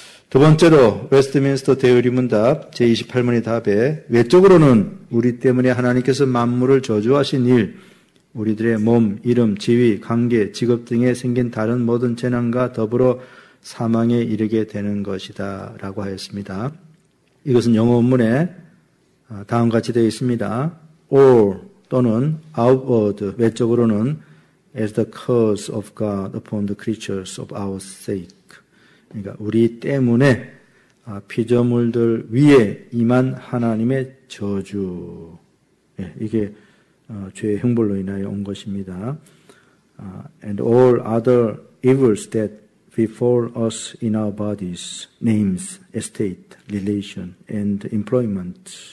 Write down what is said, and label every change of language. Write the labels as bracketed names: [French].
[Korean] 두 번째로 웨스트민스터 대의리문답 제28문의 답에 외적으로는 우리 때문에 하나님께서 만물을 저주하신 일, 우리들의 몸, 이름, 지위, 관계, 직업 등에 생긴 다른 모든 재난과 더불어 사망에 이르게 되는 것이다 라고 하였습니다. 이것은 영어 원문에 다음과 같이 되어 있습니다. [English] or 또는 outward 외적으로는 as the curse of God upon the creatures of our sake. [Korean] 그러니까 우리 때문에 피조물들 위에 임한 하나님의 저주. 예, 이게 죄의 형벌로 인하여 온 것입니다. [English] And all other evils that befall us in our bodies, names, estate, relation, and employment.